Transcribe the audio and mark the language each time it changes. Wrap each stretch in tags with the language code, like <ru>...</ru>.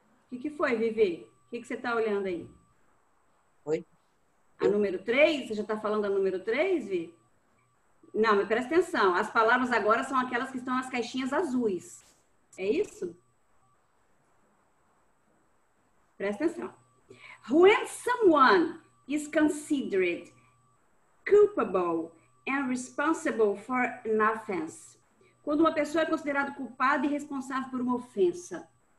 <pt>O que foi, Vivi? O que você tá olhando aí? Oi? A número 3? Você já tá falando a número 3, Vi? Não, mas presta atenção. As palavras agora são aquelas que estão nas caixinhas azuis. É isso? Presta atenção.</pt> <en>When someone is considered culpable and responsible for an offense.</en> <pt>Quando uma pessoa é considerada culpada e responsável por uma ofensa.</pt>